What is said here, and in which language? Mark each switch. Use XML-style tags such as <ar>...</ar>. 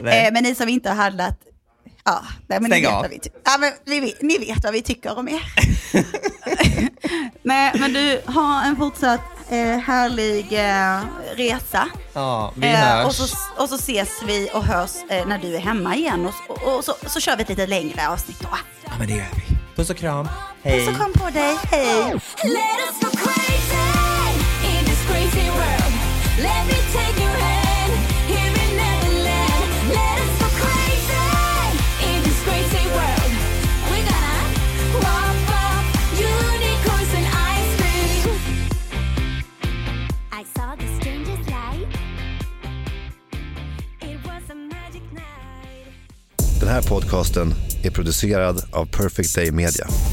<sv>Men ni som inte har handlat, ja, nej, men stäng av. Ni vet vad vi tycker om er. Nej, men du har en fortsatt härlig resa. Ja, vi hörs. Och så ses vi och hörs när du är hemma igen. Och så kör vi ett lite längre avsnitt då. Ja, men det gör vi. Puss och kram. Hej. Puss och kram på dig. Hej.</sv> <en>Let us go crazy in this crazy world. Let me take your hand here in Neverland. Let us go crazy in this crazy world. We gonna pop up unicorns and ice cream. I saw the strangest light. It was a magic night.</en> <sv>Den här podcasten är producerad av Perfect Day Media.</sv>